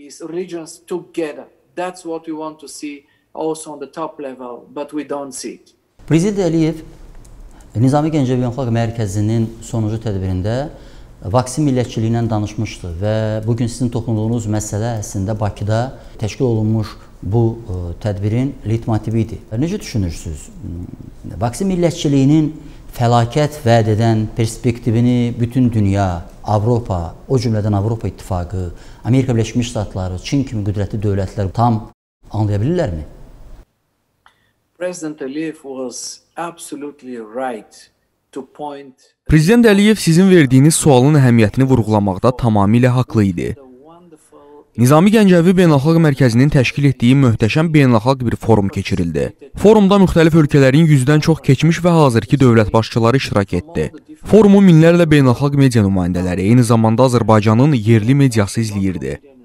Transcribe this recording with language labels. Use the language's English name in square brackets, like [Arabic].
[Azerbaijani] Prezident Əliyev Nizami Gəncəvi Beynəlxalq Mərkəzinin sonuncu tədbirində vaksin millətçiliyi ilə danışmışdı və bugün sizin toxunduğunuz məsələ əslində Bakıda təşkil olunmuş bu tədbirin leitmotivi idi. Necə düşünürsünüz? Vaksin millətçiliyinin fəlakət vəd edən perspektivini bütün dünya, Avropa, o cümlədən Avropa İttifaqı, Amerika Birləşmiş Ştatları, Çin kimi qüdrətli dövlətlər tam anlaya bilirlərmi? [English] President Aliyev was absolutely right to point. [Azerbaijani] Prezident Əliyev sizin verdiyiniz sualın əhəmiyyətini vurğulamaqda tamamilə haqlı idi. Nizami Gəncəvi Beynəlxalq Mərkəzinin təşkil etdiyi möhtəşəm beynəlxalq bir forum keçirildi. Forumda müxtəlif ölkələrin 100-dən çox keçmiş və hazırki dövlət başçıları iştirak etdi. Forumu minlərlə beynəlxalq media nümayəndələri, eyni zamanda Azərbaycanın yerli mediası izləyirdi.